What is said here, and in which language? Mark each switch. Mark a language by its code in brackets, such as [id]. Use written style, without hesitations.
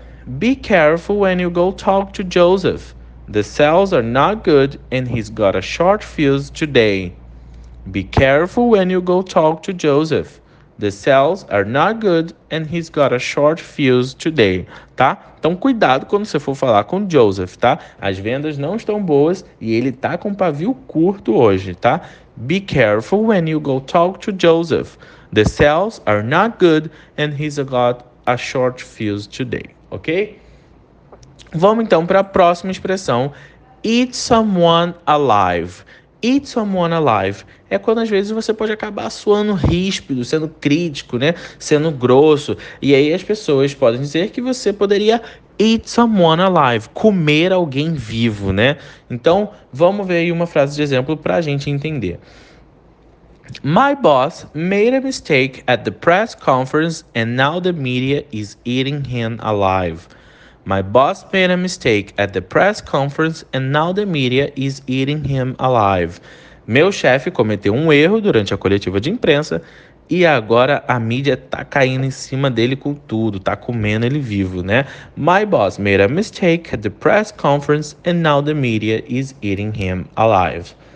[en] Be careful when you go talk to Joseph. The cells are not good and he's got a short fuse today. Be careful when you go talk to Joseph. The cells are not good and he's got a short fuse today. [pt] Tá? Então cuidado quando você for falar com Joseph, tá? As vendas não estão boas e ele tá com pavio curto hoje, tá? [en] Be careful when you go talk to Joseph. The cells are not good and he's got a short fuse today. Ok? [pt] Vamos então para a próxima expressão: [en] eat someone alive. Eat someone alive [pt] é quando às vezes você pode acabar suando ríspido, sendo crítico, né? Sendo grosso. E aí as pessoas podem dizer que você poderia [en] eat someone alive, [pt] comer alguém vivo, né? Então, vamos ver aí uma frase de exemplo para a gente entender. [en] My boss made a mistake at the press conference and now the media is eating him alive. My boss made a mistake at the press conference and now the media is eating him alive. [pt] Meu chefe cometeu um erro durante a coletiva de imprensa e agora a mídia tá caindo em cima dele com tudo, tá comendo ele vivo, né? [en] My boss made a mistake at the press conference and now the media is eating him alive.